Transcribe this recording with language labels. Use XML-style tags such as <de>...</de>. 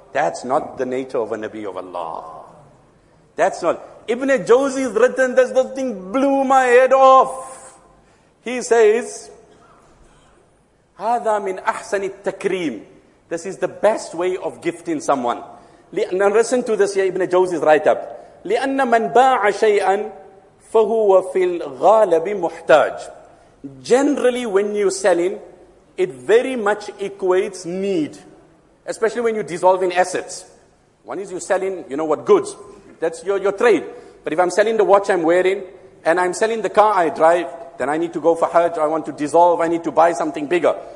<en>That's not the nature of a Nabi of Allah. That's not. Ibn Jawzi has written this. This thing blew my head off. He says,</en> <ar>"Hada min ahsani takrim."</ar> <en>This is the best way of gifting someone. Now listen to this here, Ibn Jawzi's write-up.</en> <ar>لِأَنَّ مَنْ بَاعَ شَيْئًا فَهُوَ فِي الْغَالَبِ مُحْتَاجٍ.</ar> <en>Generally, when you're selling, it very much equates need, especially when you dissolve in assets. One is you're selling, you know what, goods. That's your trade. But if I'm selling the watch I'm wearing, and I'm selling the car I drive, then I need to go for Hajj, I want to dissolve, I need to buy something bigger.</en>